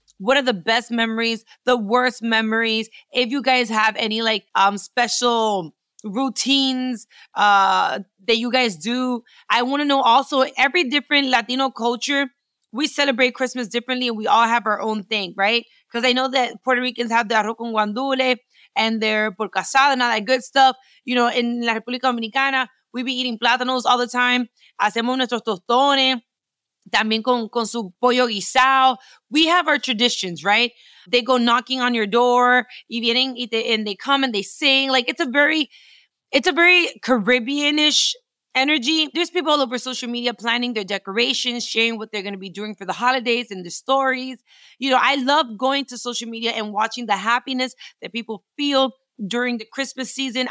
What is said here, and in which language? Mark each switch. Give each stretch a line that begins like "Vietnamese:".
English: What are the best memories, the worst memories? If you guys have any like special routines that you guys do, I want to know also every different Latino culture, we celebrate Christmas differently and we all have our own thing, right? Because I know that Puerto Ricans have the arroz con guandule and their porcasada and all that good stuff. You know, in La República Dominicana, we be eating plátanos all the time.
Spanish: Hacemos nuestros tostones, también con su pollo guisado.
English: We have our traditions, right? They go knocking on your door,
Spanish: y vienen y te,
English: and they come and they sing. Like, it's a very Caribbean-ish energy. There's people all over social media planning their decorations, sharing what they're going to be doing for the holidays and the stories. You know, I love going to social media and watching the happiness that people feel during the Christmas season.